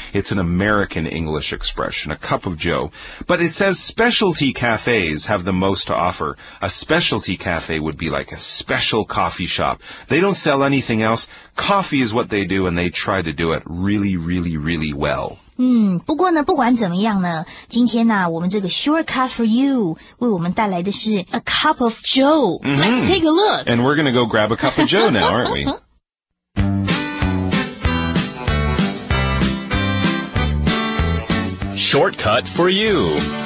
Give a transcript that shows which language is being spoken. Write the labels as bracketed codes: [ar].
[en] It's an American English expression, a cup of joe. But it says specialty cafes have the most to offer. A specialty cafe would be like a special coffee shop. They don't sell anything else. Coffee is what they do, and they try to do it really, really, really well. [zh] 不过呢，不管怎么样呢，今天呢，我们这个 shortcut for you 为我们带来的是 [en] a cup of Joe.、 Mm-hmm. Let's take a look. And we're going to go grab a cup of Joe now, aren't we? Shortcut for you.